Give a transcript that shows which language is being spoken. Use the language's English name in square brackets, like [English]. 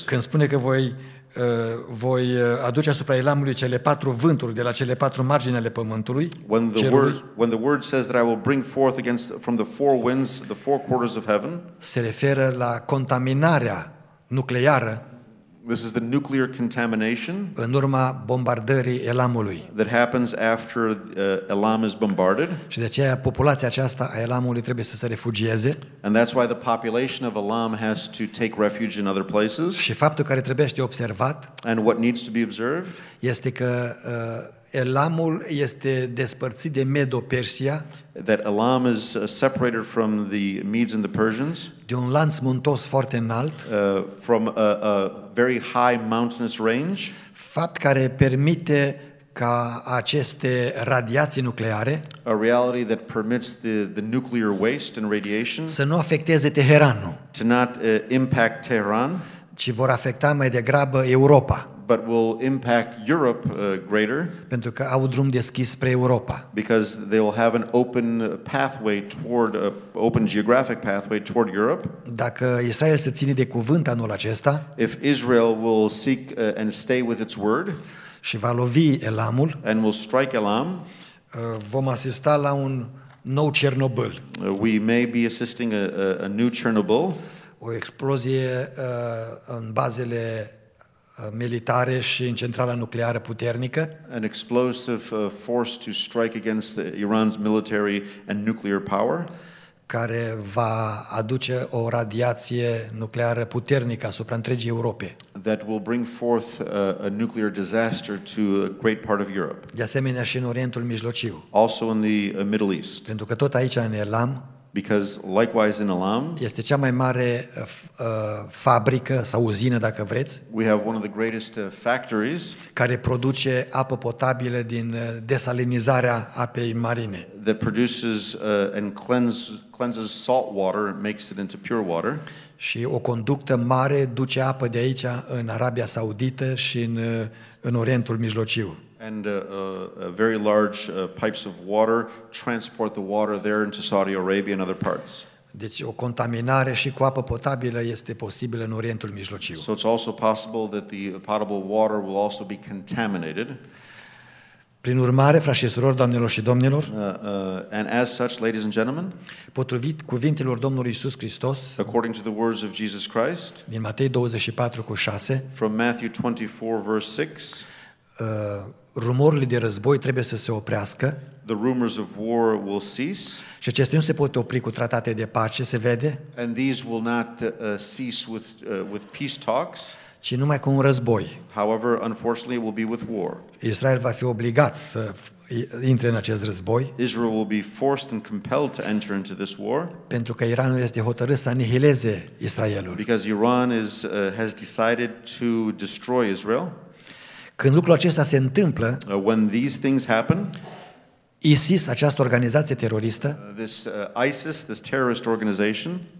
[Romanian] Când spune că voi aduce asupra Elamului cele 4 vânturi de la cele 4 margini ale pământului, [English] when the word says that I will bring forth against from the 4 winds the 4 quarters of heaven, [Romanian] se referă la contaminarea nucleară. [English] This is the nuclear contamination. [Romanian] În urma bombardării Elamului. [English] That happens after Elam is bombarded. [Romanian] Și de aceea populația aceasta a Elamului trebuie să se refugieze. [English] And that's why the population of Elam has to take refuge in other places. [Romanian] Și faptul care trebuie să fie observat. [English] And what needs to be observed. [Romanian] Este că Elamul este despărțit de Medo-Persia. [English] That Elam is separated from the Medes and the Persians. [Romanian] De un lanț muntos foarte înalt. [English] From a very high mountainous range. [Romanian] Fapt care permite ca aceste radiații nucleare, [English] a reality that permits the nuclear waste and radiation, [Romanian] să nu afecteze Teheranul, [English] to not impact Tehran, [Romanian] ci vor afecta mai degrabă Europa, [English] but will impact Europe greater, [Romanian] pentru că au drum deschis spre Europa, [English] because they will have an open pathway toward a open geographic pathway toward Europe. [Romanian] Dacă Israel se ține de cuvânt anul acesta, [English] if Israel will seek and stay with its word, [Romanian] și va lovi Elamul, [English] and will strike Elam, [Romanian] vom asista la un nou Chernobyl. [English] We may be assisting a new Chernobyl, [Romanian] o explozie în bazele militare și în centrala nucleară puternică. [English] An explosive force to strike against Iran's military and nuclear power, [Romanian] care va aduce o radiație nucleară puternică asupra întregii Europe. [English] That will bring forth a nuclear disaster to a great part of Europe. [Romanian] De asemenea și în Orientul Mijlociu. [English] Also in the Middle East. [Romanian] Pentru că tot aici în Elam, [English] because likewise in Elam, [Romanian] este cea mai mare fabrică sau uzină, dacă vreți, [English] we have one of the greatest factories, [Romanian] care produce apă potabilă din desalinizarea apei marine, [English] that produces and cleanses salt water and makes it into pure water, [Romanian] și o conductă mare duce apă de aici în Arabia Saudită și în Orientul Mijlociu. [English] And very large pipes of water transport the water there into Saudi Arabia and other parts. [Romanian] Deci o contaminare și cu apă potabilă este posibilă în Orientul Mijlociu. [English] So it's also possible that the potable water will also be contaminated. [Romanian] Prin urmare, frați și surori, doamnelor și domnilor, [English] and as such, ladies and gentlemen, [Romanian] potrivit cuvintelor Domnului Iisus Hristos, [English] according to the words of Jesus Christ, [Romanian] din Matei 24:6, [English] from Matthew 24, verse 6, [Romanian] rumorile de război trebuie să se oprească. [English] The rumors of war will cease. [Romanian] Și acestea nu se pot opri cu tratate de pace, se vede. [English] And these will not cease with peace talks. [Romanian] Ci numai cu un război. [English] However, unfortunately, it will be with war. [Romanian] Israel va fi obligat să intre în acest război. [English] Israel will be forced and compelled to enter into this war. [Romanian] Pentru că Iranul este hotărât să anihileze Israelul. [English] Because Iran has decided to destroy Israel. [Romanian] Când lucrul acesta se întâmplă, [English] when these things happen, [Romanian] ISIS, această organizație teroristă, [English] this ISIS, this terrorist organization,